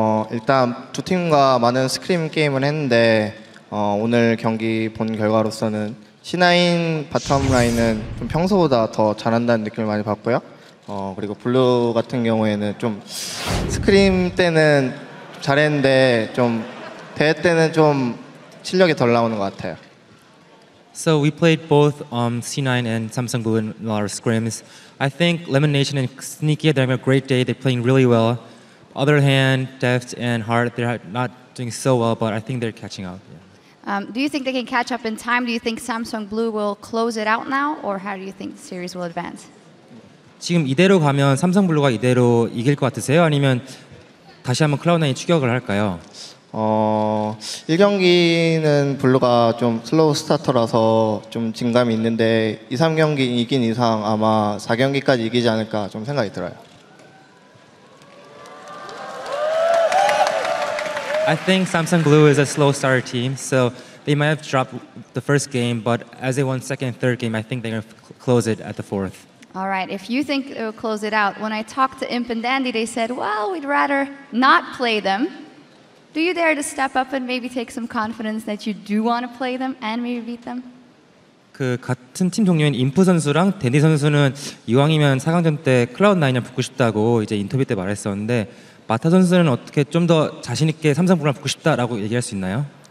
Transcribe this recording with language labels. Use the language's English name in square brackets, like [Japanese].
[Korean] 일단 두 팀과 많은 스크림 게임을 했는데 오늘 경기 본 결과로서는 C9 바텀 라인은 좀 평소보다 더 잘한다는 느낌을 많이 받고요. 그리고 블루 같은 경우에는 좀 스크림 때는 잘했는데 좀 대회 때는 좀 실력이 덜 나오는 것 같아요. [English] So we played both C9 and Samsung Blue in our scrims. I think LemonNation and Sneaky are having a great day. They're playing really well. Other hand, Deft and Hart, they're not doing so well, but I think they're catching up. Yeah. Do you think they can catch up in time? Do you think Samsung Blue will close it out now, or how do you think the series will advance? [Korean] 지금 이대로 가면 삼성 블루가 이대로 이길 것 같으세요? 아니면 다시 한번 클라우드9이 추격을 할까요? 1경기는 블루가 좀 슬로우 스타터라서 좀 진감이 있는데 2, 3경기 이긴 이상 아마 4경기까지 이기지 않을까 좀 생각이 들어요. [English] I think Samsung Blue is a slow starter team, so they might have dropped the first game, but as they won second and third game, I think they're going to close it at the fourth. All right, if you think they'll close it out, when I talked to Imp and Dandy, they said, well, we'd rather not play them. Do you dare to step up and maybe take some confidence that you do want to play them and maybe beat them? [Korean] 그 같은 팀 동료인 임프 선수랑 댄디 선수는 이왕이면 4강전 때 클라우드9을 붙고 싶다고 이제 인터뷰 때 말했었는데 마타 선수는 어떻게 좀 더 자신 있게 삼성 블루를 붙고 싶다라고 얘기할 수 있나요?